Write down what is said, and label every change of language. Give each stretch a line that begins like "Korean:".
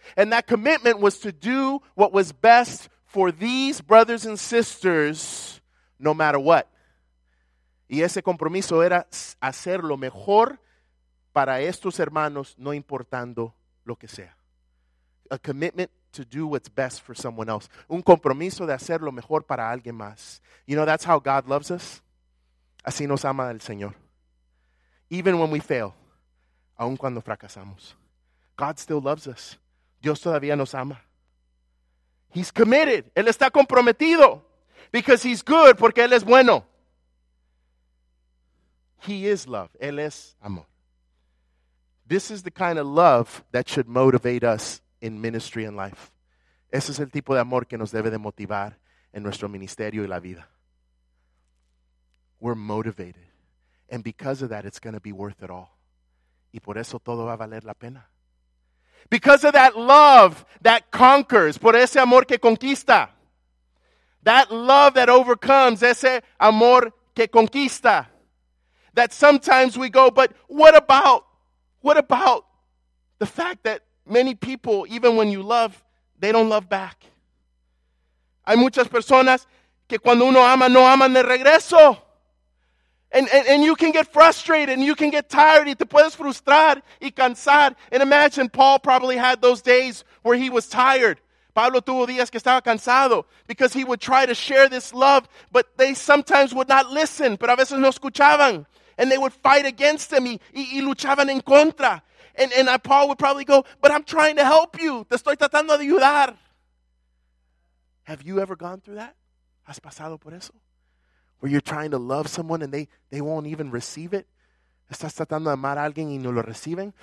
English: And that commitment was to do what was best for these brothers and sisters, no matter what.
Spanish: Y ese compromiso era hacer lo mejor para estos hermanos, no importando lo que sea.
English: A commitment to do what's best for someone else.
Spanish: Un compromiso de hacer lo mejor para alguien más.
English: You know, that's how God loves us.
Spanish: Así nos ama el Señor.
English: Even when we fail,
Spanish: aun cuando fracasamos,
English: God still loves us.
Spanish: Dios todavía nos ama.
English: He's committed.
Spanish: Él está comprometido.
English: Because he's good,
Spanish: porque él es bueno.
English: He is love.
Spanish: Él es amor.
English: This is the kind of love that should motivate us in ministry and life.
Spanish: Ese es el tipo de amor que nos debe de motivar en nuestro ministerio y la vida.
English: We're motivated. And because of that, it's going to be worth it all.
Spanish: Y por eso todo va a valer la pena.
English: Because of that love that conquers,
Spanish: por ese amor que conquista.
English: That love that overcomes,
Spanish: ese amor que conquista.
English: That sometimes we go, but what about the fact that many people, even when you love, they don't love back.
Spanish: Hay muchas personas que cuando uno ama, no aman de regreso.
English: And you can get frustrated and you can get tired
Spanish: y te puedes frustrar y cansar.
English: And imagine Paul probably had those days where he was tired.
Spanish: Pablo tuvo días que estaba cansado
English: because he would try to share this love, but they sometimes would not listen,
Spanish: pero a veces no escuchaban.
English: And they would fight against him
Spanish: y luchaban en contra.
English: And Paul would probably go, but I'm trying to help you.
Spanish: Te estoy tratando de ayudar.
English: Have you ever gone through that?
Spanish: ¿Has pasado por eso?
English: Where you're trying to love someone and they won't even receive it?
Spanish: ¿Estás tratando de amar a alguien y no lo reciben?